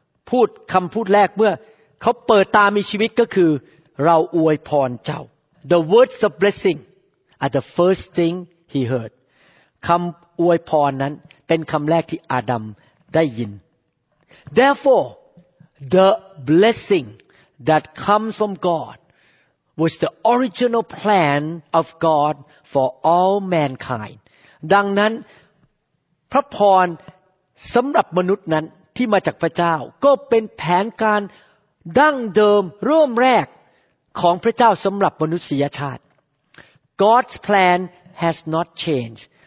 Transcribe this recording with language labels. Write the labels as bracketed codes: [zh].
[th] พูดคำพูดแรกเมื่อเขาเปิดตามีชีวิตก็คือเราอวยพรเจ้า [en] The words of blessing are the first thing he heard [th] คำอวยพรนั้นเป็นคำแรกที่อาดัมได้ยิน [en] Therefore the blessing that comes from God was the original plan of God for all mankind. [th] ดังนั้นพระพรสำหรับมนุษย์นั้นที่มาจากพระเจ้าก็เป็นแผนการดั้งเดิมเริ่มแรกของพระเจ้าสำหรับมนุษยชาติ [en] God's plan has not changed.